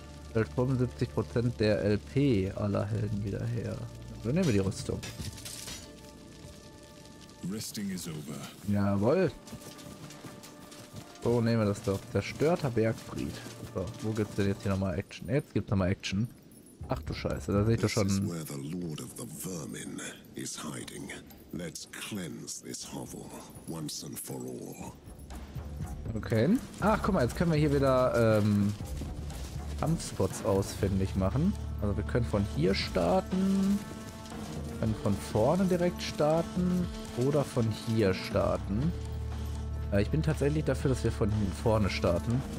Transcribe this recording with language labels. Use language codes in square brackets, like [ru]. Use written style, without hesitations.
[de] Stellt 75% der LP aller Helden wieder her. Dann nehmen wir die Rüstung. [en] Resting is over. [de] Jawohl. So, nehmen wir das doch. Zerstörter Bergfried. So, wo gibt's denn jetzt hier nochmal Action? Jetzt gibt's nochmal Action. Ach du Scheiße, da sehe ich doch schon. [en] This is where the Lord of the Vermin is hiding. Let's cleanse this hovel once and for all. Okay. [de] Ach, guck mal, jetzt können wir hier wieder Kampfspots ausfindig machen. Also wir können von hier starten. Können von vorne direkt starten. Oder von hier starten. Ich bin tatsächlich dafür, dass wir von vorne starten.